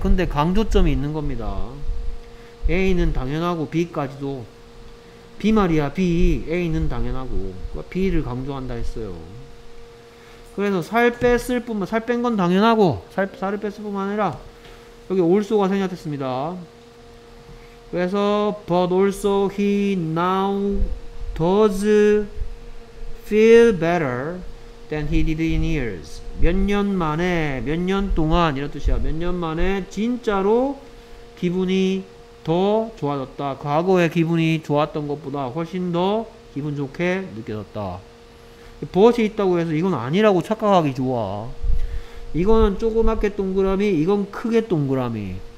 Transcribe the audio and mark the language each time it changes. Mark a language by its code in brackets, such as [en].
[ko] 근데 강조점이 있는 겁니다. A는 당연하고 B까지도. B 말이야, B. A는 당연하고. B를 강조한다 했어요. 그래서 살 뺐을 뿐만, 살 뺀 건 당연하고, 살을 뺐을 뿐만 아니라, 여기 올소가 생략됐습니다. 그래서, [en] but also he now does feel better than he did in years. [ko] 몇 년 만에, 몇 년 동안, 이런 뜻이야. 몇 년 만에, 진짜로 기분이 더 좋아졌다. 과거에 기분이 좋았던 것보다 훨씬 더 기분 좋게 느껴졌다. but이 있다고 해서 이건 아니라고 착각하기 좋아. 이건 조그맣게 동그라미, 이건 크게 동그라미.